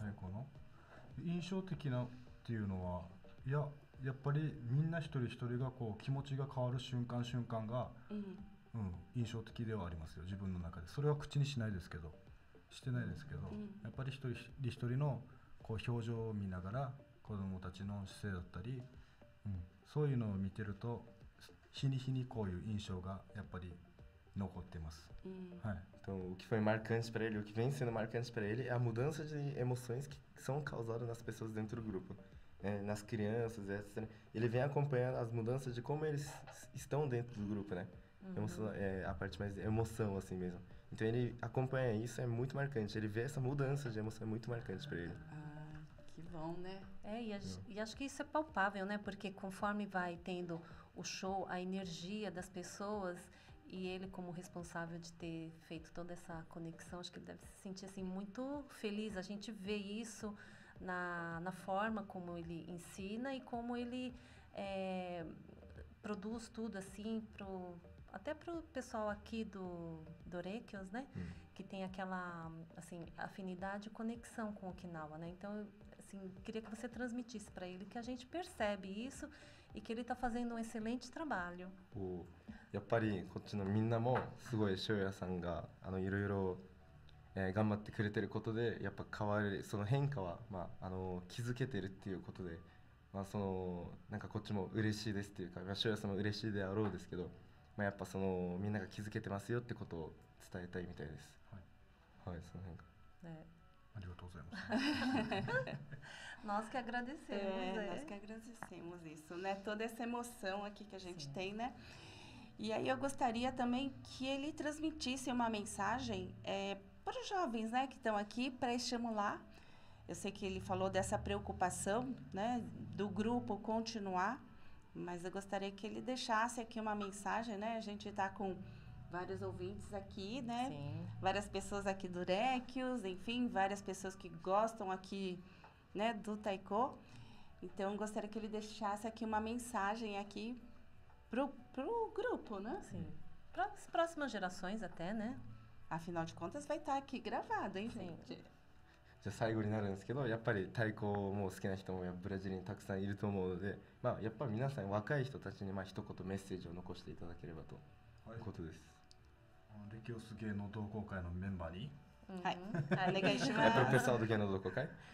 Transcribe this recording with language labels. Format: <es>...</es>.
<ja>ね、この印象的なっていうのは、いや、やっぱりみんな一人一人がこう気持ちが変わる瞬間瞬間が、印象的ではありますよ、自分の中で。それは口にしないですけど、してないですけど、やっぱり一人一人のこう表情を見ながら、子どもたちの姿勢だったり、そういうのを見てると、日に日にこういう印象がやっぱり残ってます。はい。</ja> <pt>Então, o que foi marcante para ele, o que vem sendo marcante para ele é a mudança de emoções que são causadas nas pessoas dentro do grupo, né? Nas crianças, etc. Ele vem acompanhando as mudanças de como eles estão dentro do grupo, né? A parte mais emoção, assim mesmo. Então, ele acompanha isso, é muito marcante. Ele vê essa mudança de emoção, é muito marcante para ele. Ah, que bom, né? E acho que isso é palpável, né? Porque conforme vai tendo o show, a energia das pessoas... E ele, como responsável de ter feito toda essa conexão, acho que ele deve se sentir assim, muito feliz. A gente vê isso na forma como ele ensina e como ele produz tudo, assim, até para o pessoal aqui do Reikius, né? Que tem aquela assim, afinidade e conexão com Okinawa, né? Então, assim, queria que você transmitisse para ele que a gente percebe isso e que ele está fazendo um excelente trabalho.</pt> <ja>やっぱりこっちのみんなもすごい塩屋さんがいろいろ頑張ってくれてることでやっぱ変わるその変化は、まあ、気づけてるっていうことで、まあ、そのなんかこっちも嬉しいですっていうか、まあ、塩屋さんも嬉しいであろうですけど、まあ、やっぱそのみんなが気づけてますよってことを伝えたいみたいですはい、はい、その変化、ね、ありがとうございます</ja> <pt>Nós que agradecemos, nós que agradecemos isso, né? Toda essa emoção aqui que a gente Sim. tem, né? E aí eu gostaria também que ele transmitisse uma mensagem para os jovens, né, que estão aqui, para estimular. Eu sei que ele falou dessa preocupação, né, do grupo continuar, mas eu gostaria que ele deixasse aqui uma mensagem, né? A gente está com vários ouvintes aqui, né? Sim. Várias pessoas aqui do Rekius, enfim, várias pessoas que gostam aqui, né, do Taiko. Então, eu gostaria que ele deixasse aqui uma mensagem aqui pro grupo, né? Sim. Para as próximas gerações até, né? Afinal de contas, vai estar aqui gravado, hein, gente?</pt> <ja>じゃあ最後になるんですけど、やっぱり太鼓も好きな人もブラジルにたくさんいると思うので、まあやっぱり皆さん若い人たちにまあ一言メッセージを残していただければと、はい、いうことです。レキオス芸能同好会のメンバーに、はい、お願いします。プロフェッサード芸能同好会。</ja>